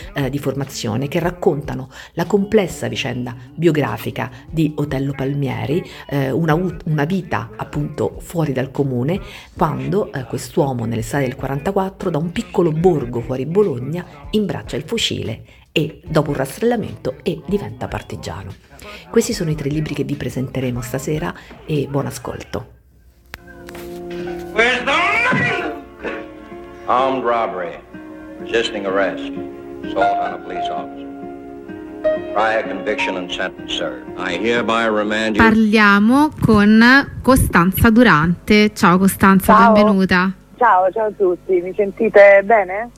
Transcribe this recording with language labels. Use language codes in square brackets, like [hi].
[it] di formazione, che raccontano la complessa vicenda biografica di Otello Palmieri, una vita appunto fuori dal comune, quando quest'uomo nell'estate del 44 da un piccolo borgo fuori Bologna imbraccia il fucile e dopo un rastrellamento e diventa partigiano. Questi sono i tre libri che vi presenteremo stasera e buon ascolto. [en] Where's the money? Armed robbery, resisting arrest, assault on a police officer. Prior conviction and sentence, sir. I hereby remand you. [it] Parliamo con Costanza Durante. Ciao Costanza, ciao. Benvenuta. Ciao, ciao a tutti, mi sentite bene?